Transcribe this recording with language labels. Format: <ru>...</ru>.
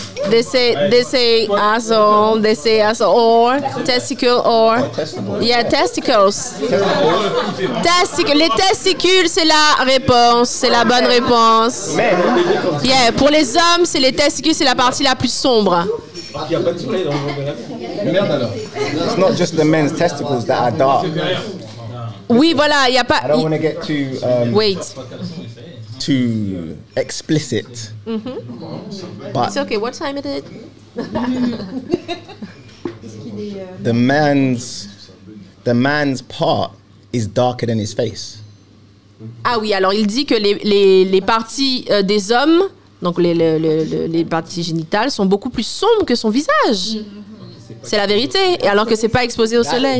<en>They say asshole, testicle or. Yeah, testicles.</en> <fr>Les testicules, c'est la réponse. C'est la bonne réponse. Yeah, pour les hommes, c'est les testicules, c'est la partie la plus sombre.</fr> <en>It's not just the men's testicles that are dark.</en> <fr>Oui, voilà, y a pas.</fr> <en>I don't want to get too wait. Too explicit. Mm-hmm. But it's okay. What time is it? the man's part is darker than his face.</en> <fr>Ah oui, alors il dit que les parties des hommes. Donc les parties génitales sont beaucoup plus sombres que son visage. C'est la vérité. Et alors que c'est pas exposé au soleil.</fr>